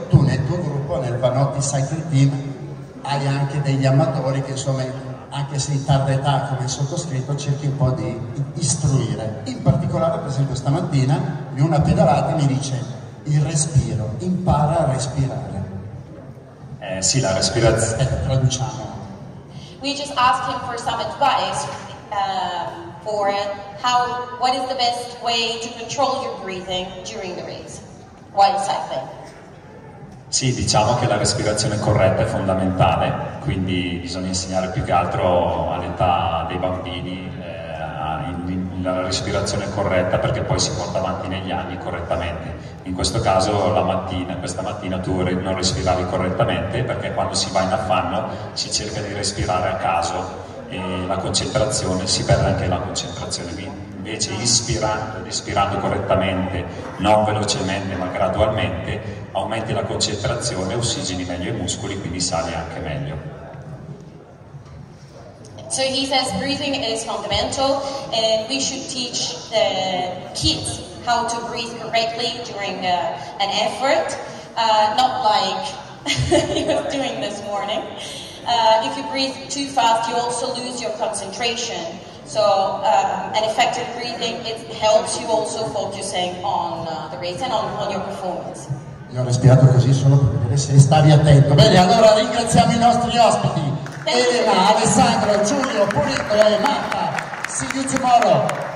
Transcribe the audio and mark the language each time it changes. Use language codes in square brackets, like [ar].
[it] Tu nel tuo gruppo, nel Vanotti Cycling Team, hai anche degli amatori che insomma, anche se in tarda età come sottoscritto, cerchi un po' di istruire. In particolare, per esempio, stamattina in una pedalata mi dice il respiro, impara a respirare. Sì, la respirazione. Traduciamo. [en] We just asked him for some advice for how, what is the best way to control your breathing during the race while cycling. [it] Sì, diciamo che la respirazione corretta è fondamentale, quindi bisogna insegnare più che altro all'età dei bambini la respirazione corretta, perché poi si porta avanti negli anni correttamente. In questo caso la mattina, questa mattina tu non respiravi correttamente, perché quando si va in affanno si cerca di respirare a caso e la concentrazione, si perde anche la concentrazione. Invece ispirando correttamente, non velocemente ma gradualmente, aumenti la concentrazione, ossigeni meglio i muscoli, quindi sali anche meglio. [en] So he says breathing is fundamental and we should teach the kids how to breathe correctly during an effort, not like you were doing this morning. If you breathe too fast, you also lose your concentration. So an effective breathing, it helps you also focusing on the race and on your performance. [it] Io ho respirato così solo per vedere se stavi attento. Bene, allora ringraziamo i nostri ospiti. Elena, Alessandro, Giulio, Pulito e Marta. [en] See you tomorrow.